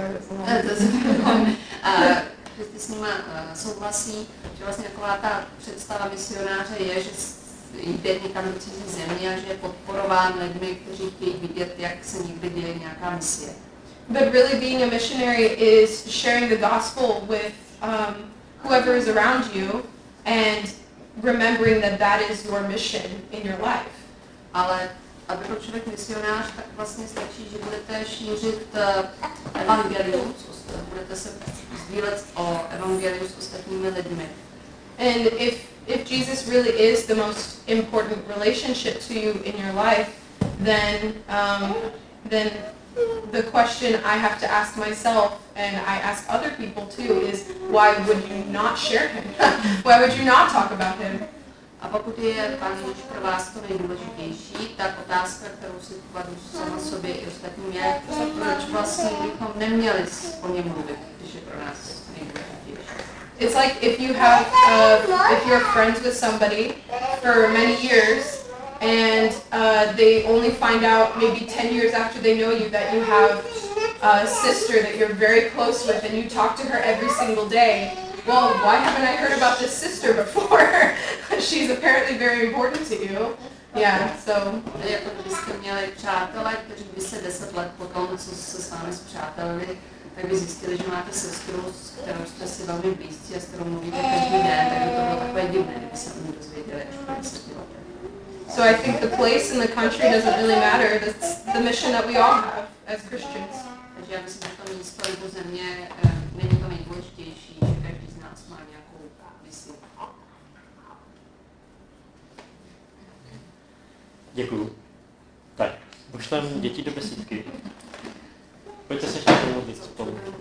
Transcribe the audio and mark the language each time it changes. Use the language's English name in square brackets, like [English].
[English] Yeah, I don't know, sorry, that's a long one. [Czech] Jde někam do cizí země a že je podporován lidmi, kteří chtějí vidět, jak se někdy děje nějaká misie. [English] But really being a missionary is sharing the gospel with whoever is around you and remembering that that is your mission in your life. [Czech] Ale aby byl člověk misionář, tak vlastně stačí, že budete šířit evangelium, budete se sdílet o evangelium s ostatními lidmi. [English] And if Jesus really is the most important relationship to you in your life, then the question I have to ask myself, and I ask other people too, is why would you not share him? Why would you not talk about him? [Czech] A pokud je Pán Ježíš pro vás to nejdůležitější, tak otázka, kterou si kladu sama sobě i ostatním je, proč vlastně bychom neměli o něm mluvit, když je pro nás nejdůležitější. [English] It's like if you have, if you're friends with somebody for many years, and they only find out maybe 10 years after they know you that you have a sister that you're very close with, and you talk to her every single day. Well, why haven't I heard about this sister before? She's apparently very important to you. Yeah, so. [Czech] Jako byste měli přátelé, kteří by se 10 let potom, co se s vámi spřáteli, tak by zjistili, že máte sestru, s kterou jste si velmi blízcí a s kterou mluvíte každý den, tak by to bylo takové divné, kdyby se o ní dozvěděli až po 10 letech. [English] So I think the place and the country doesn't really matter. That's the mission that we all have as Christians. [Czech] Takže já myslím, že to místo nebo země není to nejdůležitější, že každý z nás má nějakou misi. Děkuju. Tak, už tam děti do besídky. Pojďte se ještě pomodlit spolu.